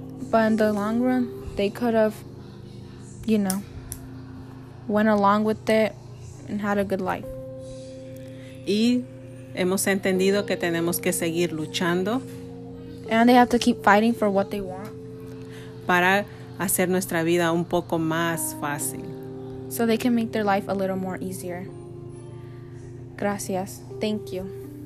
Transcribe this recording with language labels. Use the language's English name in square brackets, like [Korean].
[English] But in the long run, they could have, you know, went along with it and had a good life. [Spanish] Y hemos entendido que tenemos que seguir luchando. [English] And they have to keep fighting for what they want. [Spanish] Para hacer nuestra vida un poco más fácil. [English] So they can make their life a little more easier. [Spanish] Gracias. [English] Thank you.